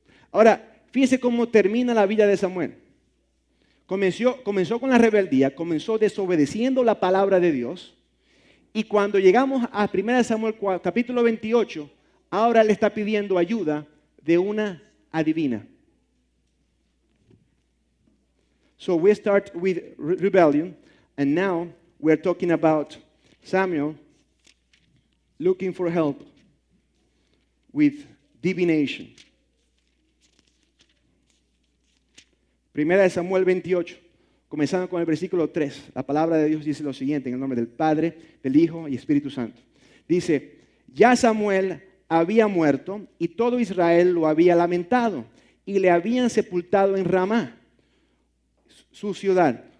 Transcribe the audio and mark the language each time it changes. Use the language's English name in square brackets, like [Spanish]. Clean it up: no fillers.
[Spanish] Ahora, fíjese cómo termina la vida de Samuel. Comenzó con la rebeldía, comenzó desobedeciendo la palabra de Dios. Y cuando llegamos a 1 Samuel 4, capítulo 28, ahora le está pidiendo ayuda de una adivina. [English] So we start with rebellion, and now we're talking about Samuel looking for help with divination. [Spanish] Primera de Samuel 28, comenzando con el versículo 3, la palabra de Dios dice lo siguiente, en el nombre del Padre, del Hijo y Espíritu Santo. Dice, ya Samuel había muerto y todo Israel lo había lamentado y le habían sepultado en Ramá, su ciudad.